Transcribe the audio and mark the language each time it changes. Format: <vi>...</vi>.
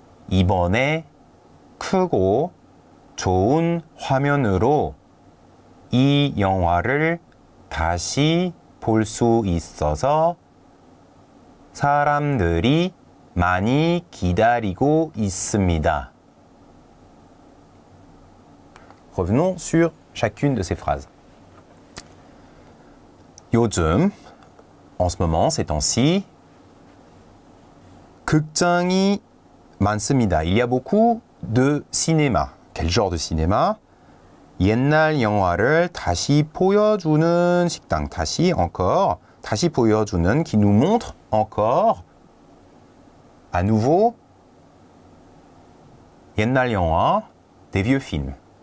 <ko>이번에 크고 좋은 화면으로 이 영화를 다시 볼 수 있어서 사람들이 많이 기다리고 있습니다.</ko> <fr>Revenons sur chacune de ces phrases.</fr> <ko>요즘,</ko> <fr>en ce moment, ces temps-ci,</fr> <ko>극장이 많습니다.</ko> <fr>Il y a beaucoup de cinéma. Quel genre de cinéma?</fr> <ko>옛날 영화를 다시 보여주는 식당. 다시,</ko> <fr>encore.</fr> <ko>다시 보여주는,</ko> <fr>qui nous montre encore, à nouveau,</fr> <ko>옛날 영화,</ko> <fr>des vieux films.</fr>